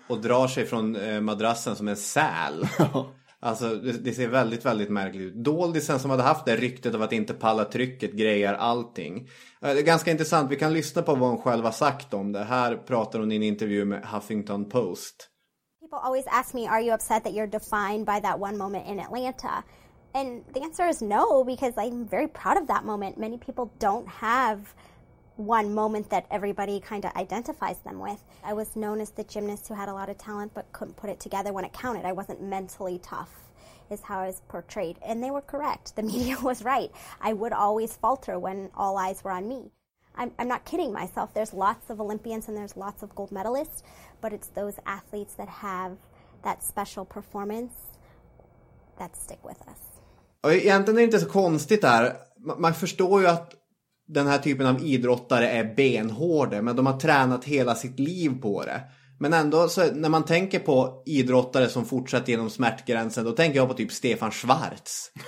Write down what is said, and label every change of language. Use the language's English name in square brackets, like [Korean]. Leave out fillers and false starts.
[Swedish] Och drar sig från madrassen som en säl. Alltså det ser väldigt, väldigt märkligt ut. Doldisen som hade haft det ryktet av att inte palla trycket, grejer, allting. Det är ganska intressant. Vi kan lyssna på vad hon själv har sagt om det. Här pratar hon i en intervju med Huffington Post. [English] People always ask me, are you upset that you're defined by that one moment in Atlanta? And the answer is no, because I'm very proud of that moment. Many people don't have one moment that everybody kind of identifies them with. I was known as the gymnast who had a lot of talent but couldn't put it together when it counted. I wasn't mentally tough, is how I was portrayed. And they were correct. The media was right. I would always falter when all eyes were on me. I'm not kidding myself. There's lots of Olympians and there's lots of gold medalists, but it's those athletes that have that special performance that stick with us. [Swedish] Och egentligen är det inte så konstigt där. Man förstår ju att den här typen av idrottare är benhårda, men de har tränat hela sitt liv på det. Men ändå, så när man tänker på idrottare som fortsätter genom smärtgränsen, då tänker jag på typ Stefan Schwarz.